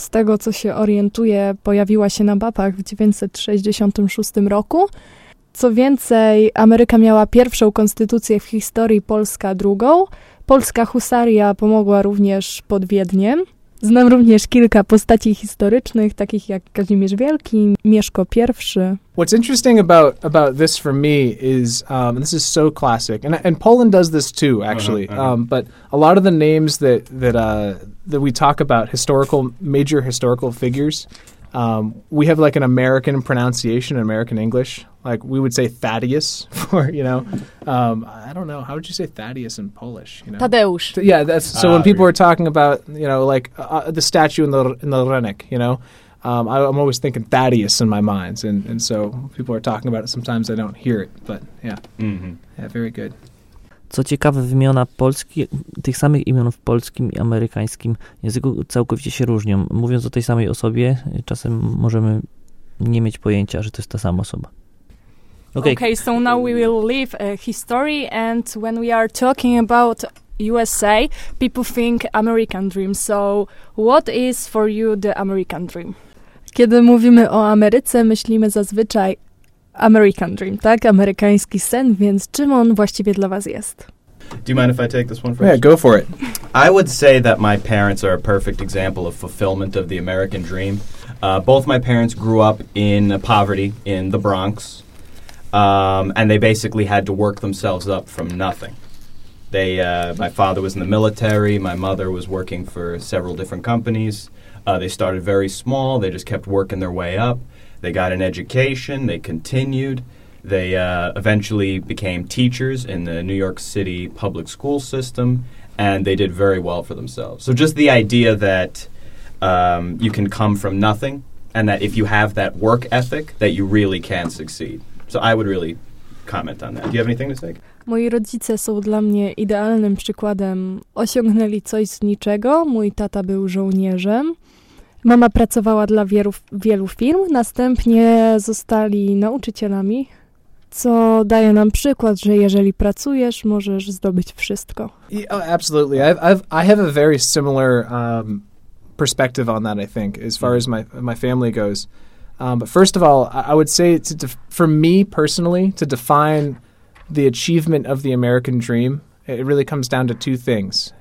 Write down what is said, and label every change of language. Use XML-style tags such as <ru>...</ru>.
<pl>Z tego, co się orientuje, pojawiła się na mapach w 1966 roku. Co więcej, Ameryka miała pierwszą konstytucję w historii, Polska drugą. Polska husaria pomogła również pod Wiedniem. Znam również kilka postaci historycznych, takich jak Kazimierz Wielki, Mieszko I.</pl> <en>What's interesting about this for me is, this is so classic, and Poland does this too, actually. But a lot of the names that we talk about, major historical figures, we have like an American pronunciation, American English. Like we would say Thaddeus I don't know. How would you say Thaddeus in Polish? Tadeusz. Yeah, that's so. When people are talking about the statue in the Renick, I'm always thinking Thaddeus in my mind, and so people are talking about it. Sometimes I don't hear it, but yeah, mm-hmm. Yeah, very good.</en> <pl>Co ciekawe, imiona Polski, tych samych imion w polskim i amerykańskim języku całkowicie się różnią. Mówiąc o tej samej osobie, czasem możemy nie mieć pojęcia, że to jest ta sama osoba.</pl> <en>Okay, so now we will leave history, and when we are talking about USA, people think American dream. So what is for you the American dream?</en> <pl>Kiedy mówimy o Ameryce, myślimy zazwyczaj</pl> <en>American dream,</en> <pl>tak? Amerykański sen, więc czym on właściwie dla was jest?</pl> <en>Do you mind if I take this one first? Yeah, go for it. I would say that my parents are a perfect example of fulfillment of the American dream. Both my parents grew up in poverty in the Bronx. And they basically had to work themselves up from nothing. They, my father was in the military. My mother was working for several different companies. They started very small. They just kept working their way up. They got an education. They continued. They eventually became teachers in the New York City public school system, and they did very well for themselves. So just the idea that you can come from nothing, and that if you have that work ethic, that you really can succeed. So I would really comment on that. Do you have anything to say?</en> <pl>Moi rodzice są dla mnie idealnym przykładem. Osiągnęli coś z niczego. Mój tata był żołnierzem. Mama pracowała dla wielu firm. Następnie zostali nauczycielami. Co daje nam przykład, że jeżeli pracujesz, możesz zdobyć wszystko.</pl> <en>Yeah, absolutely. I have a very similar perspective on that, I think, as far as my family goes. But first of all, I would say for me personally, to define the achievement of the American dream, it really comes down to two things.</en>